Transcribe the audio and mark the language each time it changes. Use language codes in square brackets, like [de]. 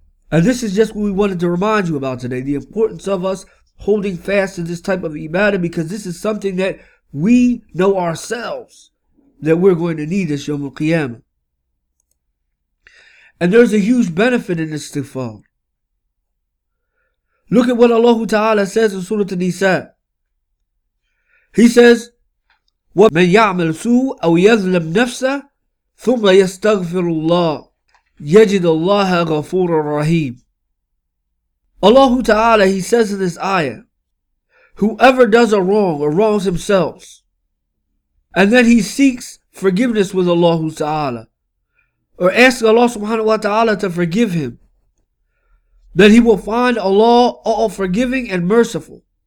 [en] And this is just what we wanted to remind you about today. The importance of us holding fast to this type of ibadah, because this is something that we know ourselves that we're going to need this Yawmul Qiyamah. And there's a huge benefit in this istighfar. Look at what Allah Ta'ala says in Surah An-Nisa. He says, [ar] وَمَنْ يَعْمَلْ سُوءٌ أَوْ يَظْلَمْ نَفْسَهُ ثُمَّ يَسْتَغْفِرُ اللَّهِ يَجِدَ اللَّهَ غَفُورًا رَحِيمًا. [en] Allah Ta'ala, He says in this ayah, whoever does a wrong or wrongs himself, and then he seeks forgiveness with Allah Ta'ala, or ask Allah subhanahu wa ta'ala to forgive him, that he will find Allah all forgiving and merciful.